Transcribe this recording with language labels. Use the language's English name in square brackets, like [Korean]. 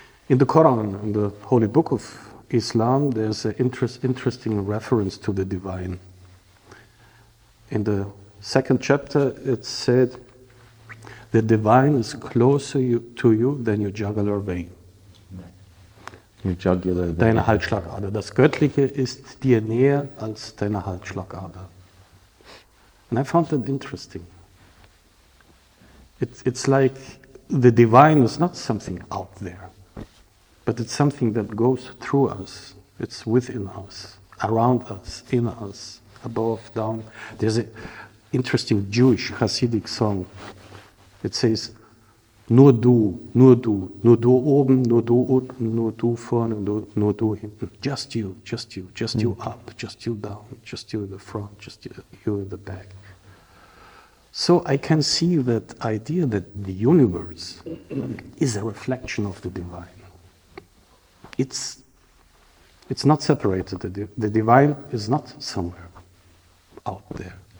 [English] In the Quran, in the holy book of Islam, there's an interesting reference to the divine. In the second chapter, it said, the divine is closer to you than your jugular vein. Your jugular vein. [German] Deine Halsschlagader. Das Göttliche ist dir näher als deine Halsschlagader. [English] And I found that interesting. It's like the divine is not something out there, but it's something that goes through us. It's within us, around us, in us, above, down. There's an interesting Jewish Hasidic song. It says, [German] nur du, nur du, nur du oben, nur du unten, nur du vorne, nur du hinten. [English] Just you, just you, just you up, just you down, just you in the front, just you in the back. So I can see that idea that the universe is a reflection of the divine. It's not separated. The divine is not somewhere out there.